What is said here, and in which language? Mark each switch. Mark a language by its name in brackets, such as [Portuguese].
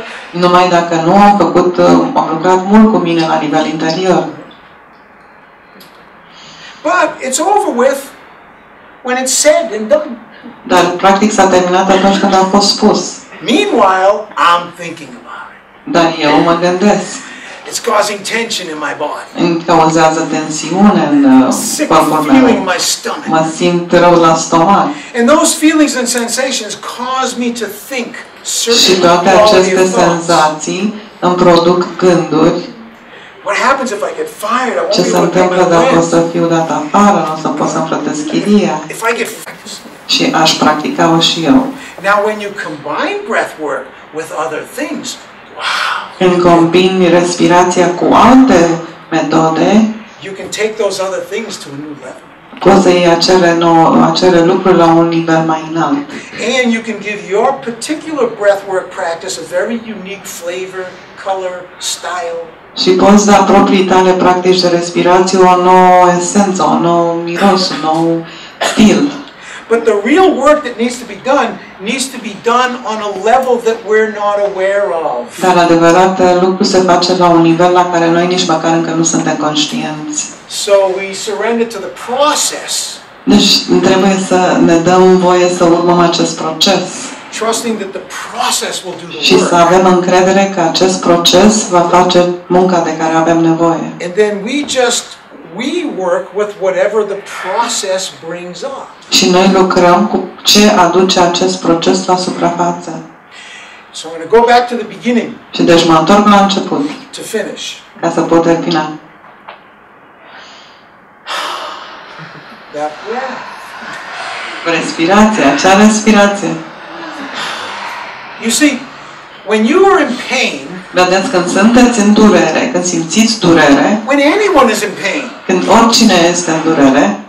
[Romanian] Numai dacă nu am făcut, am lucrat mult cu mine la nivel interior. [English] But it's over with when it's said and done. [Romanian] Dar practic s-a terminat atunci când a fost spus. [English] Meanwhile, I'm thinking about it. [Romanian] Dar eu mă gândesc. [English] It's causing tension in my body. [Romanian] Cauzează tensiune în corpul meu. [English] Feeling my stomach. [Romanian] Mă simt rău la stomac. [English] And those feelings and sensations cause me to think certain. [Romanian] Și toate aceste senzații îmi produc gânduri. [English] What happens if I get fired? I won't [Romanian] ce se întâmplă dacă o să fiu dat afară? Nu o să pot să plătesc chiria? [English] If I get [Romanian] și aș practica-o și eu. [English] Now when you combine breath work with other things, [Romanian] când combini respirația cu alte metode, [English] you can take those other things to a new level. [Romanian] Poți să iei acele lucruri la un nivel mai înalt. [English] And you can give your particular breathwork practice a very unique flavor, color, style. [Romanian] Și poți da proprii tale practici de respirație o nouă esență, un nou miros, un nou stil. [English] But the real work that needs to be done on a level that we're not aware of. [Romanian] Dar adevărat lucru se face la un nivel la care noi nici măcar încă nu suntem conștienți. [English] So we surrender to the process. [Romanian] Deci trebuie să ne dăm voie să urmăm acest proces. [English] trusting that the process will do the work. [Romanian] Și să avem încredere că acest proces va face munca de care avem nevoie. [English] And then we work with whatever the process brings up. [Romanian] Și noi lucrăm cu ce aduce acest proces la suprafață. [English] So I'm going to go back to the beginning. [Romanian] Și deci mă întorc la început. [English] To finish. [Romanian] Ca să pot termina. [English] That, yeah. [Romanian] Respirație, acea respirație. [English] You see, when you are in pain, [Romanian] vedeți când sunteți în durere, când simțiți durere, [English] when anyone is in pain, [Romanian] când oricine este în durere,